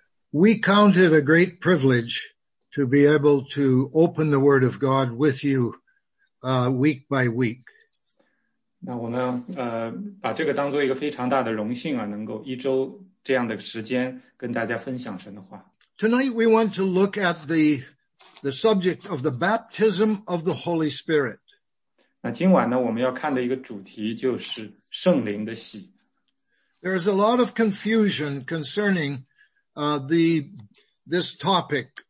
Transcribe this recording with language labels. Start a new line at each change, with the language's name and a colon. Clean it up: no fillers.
English: We count it a great privilege to be able to open the Word of God with you week by week.
Chinese: 那我们把这个当做一个非常大的荣幸啊，能够一周这样的时间跟大家分享神的话。
English: Tonight we want to look at the subject of the baptism of the Holy Spirit.
Chinese: 那今晚呢，我们要看的一个主题就是圣灵的洗。
English: There is a lot of confusion concerning this topic.